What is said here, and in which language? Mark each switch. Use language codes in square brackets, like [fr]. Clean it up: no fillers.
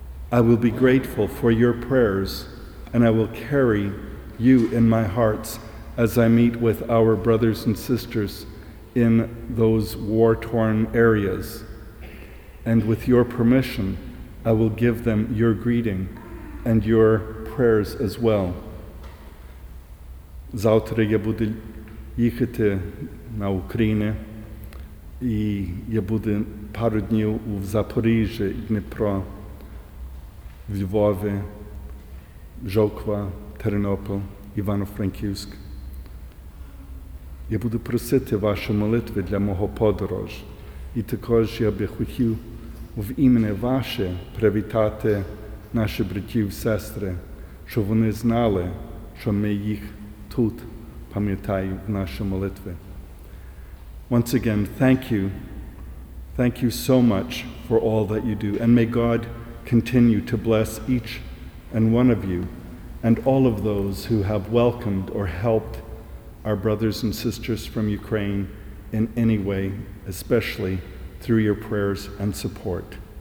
[en] I will be grateful for your prayers, and I will carry you in my hearts as I meet with our brothers and sisters in those war-torn areas. And with your permission, I will give them your greeting and your prayers as well. [uk] Завтра я буду їхати на Україну, і я буду пару днів у Запоріжжі, Дніпро, Львові, Жовква, Тернопіль, Івано-Франківськ. Я буду просити ваші молитви для мого подорож, і також я би хотів в імені ваше привітати наші братів і сестри, щоб вони знали, що ми їх тут пам'ятаємо в нашій молитві. [en] Once again, thank you. Thank you so much for all that you do. And may God continue to bless each and one of you and all of those who have welcomed or helped our brothers and sisters from Ukraine in any way, especially through your prayers and support.